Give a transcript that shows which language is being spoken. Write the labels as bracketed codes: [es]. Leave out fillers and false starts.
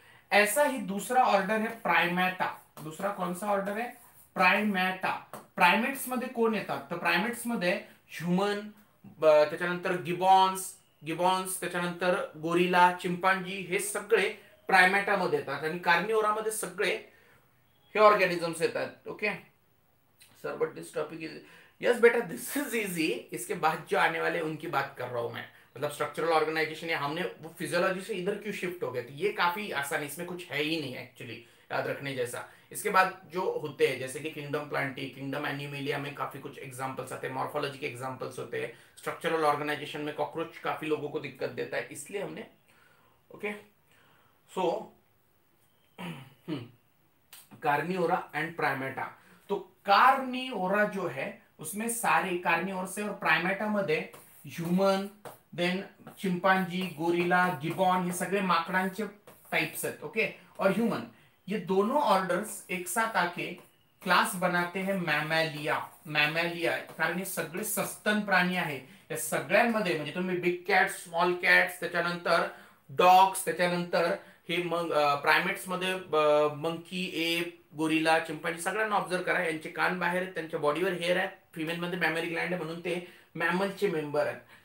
[hi] ऐसा ही दुसरा ऑर्डर है प्राइमेटा. दुसरा कौन सा ऑर्डर है प्राइमेटा. [mr] प्राइमेट्स मध्ये कोण येतात, तर प्राइमेट्स मध्ये ह्यूमन, त्याच्यानंतर गिबॉन्स, त्याच्यानंतर गोरिला, चिंपांजी, हे सगळे प्राइमेटा मध्ये येतात. आणि कार्निओरा मध्ये सगळे हे ऑर्गॅनिझम्स येतात. [en] okay sir but this topic is, yes बेटा this is easy, [hi] इसके बाद जो आने वाले उनकी बात कर रहा हूं मैं, मतलब स्ट्रक्चरल ऑर्गेनाइजेशन या हमने वो फिजियोलॉजी से इधर क्यों शिफ्ट हो गए, तो ये काफी आसान है, इसमें कुछ है ही नहीं एक्चुअली याद रखने जैसा. इसके बाद जो होते हैं जैसे कि किंगडम प्लांटी, किंगडम एनिमेलिया में काफी कुछ एग्जाम्पल्स आते हैं, मॉर्फोलॉजी के एग्जाम्पल्स होते हैं, स्ट्रक्चरल ऑर्गेनाइजेशन में कॉकरोच काफी लोगों को दिक्कत देता है इसलिए हमने. [en] Okay so carnivora and primata. [hi] तो कार्निओरा जो है उसमें सारे कार्निओरस [mr] और प्राइमेटा मध्ये human, then chimpanzee, gorilla, gibbon, हे सगळे माकडांचे टाइप्स आहेत. [hi] ओके और ह्यूमन, ये दोनों ऑर्डर्स एक साथ आके क्लास बनाते हैं मॅमॅलिया. [mr] मॅमॅलिया कारण हे सगळे सस्तन प्राणी आहे, या सगळ्यांमध्ये म्हणजे तुम्ही बिग कॅट्स, स्मॉल कॅट्स, त्याच्यानंतर डॉग्स, त्याच्यानंतर हे मग प्रायमेट्स मध्ये मंकी, एप, गोरिला, चिंपांजी सगळ्यांना ऑब्झर्व करा, यांचे कान बाहेर आहेत, त्यांच्या बॉडीवर हेअर आहेत, फिमेल मध्ये मॅमरी ग्लँड आहे म्हणून ते मॅमलचे मेंबर आहेत.